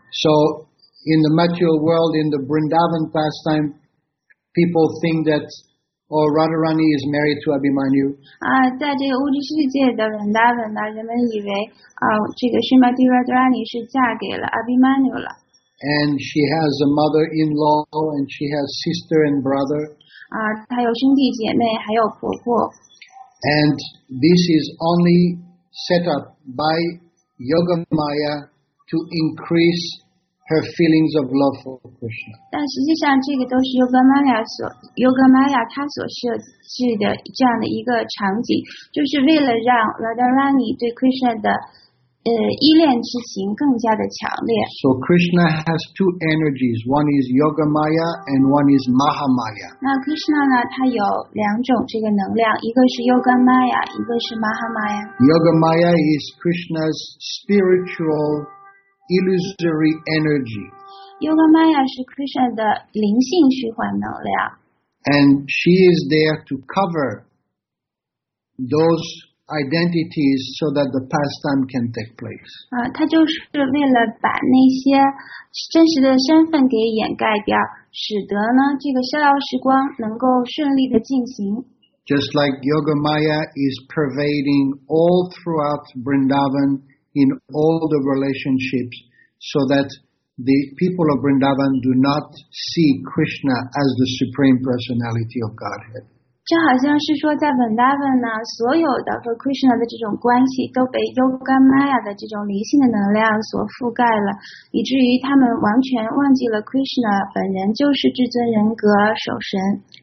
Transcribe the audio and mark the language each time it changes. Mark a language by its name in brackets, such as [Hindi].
[English] So in the material world, in the Vrindavan pastime, people think that. Or Radharani is married to Abhimanyu. [Chinese] 在这个物质世界的 Vrindavan 呢，人们以为这个 Srimati Radharani 是嫁给了 Abhimanyu 了。 [English] And she has a mother-in-law, and she has sister and brother. [Chinese] 她有兄弟姐妹，还有婆婆。 [English] And this is only set up by Yoga Maya to increase her feelings of love for Krishna. [Chinese] 但实际上，这个都是 Yoga Maya 所 Yoga Maya 他所设置的这样的一个场景，就是为了让 Radharani 对 Krishna 的依恋之情更加的强烈。 [English] So Krishna has two energies. One is Yoga Maya and one is Maha Maya. [Chinese] 那 Krishna 呢，他有两种这个能量，一个是 Yoga Maya， 一个是 Maha Maya。 [English] Yoga Maya is Krishna's spiritual illusory energy. [Chinese] Yoga Maya 是 Krishna 的灵性虚幻能量。 [English] And she is there to cover those identities so that the pastime can take place. [Chinese] 他就是为了把那些真实的身份给掩盖掉，使得呢这个逍遥时光能够顺利的进行。 [English] Just like Yoga Maya is pervading all throughout Vrindavan in all the relationships, so that the people of Vrindavan do not see Krishna as the Supreme Personality of Godhead. [Chinese] 这好像是说在 Vrindavan 呢，所有的和 Krishna 的这种关系都被 Yoga Maya 的这种灵性的能量所覆盖了，以至于他们完全忘记了 Krishna 本人就是至尊人格守神。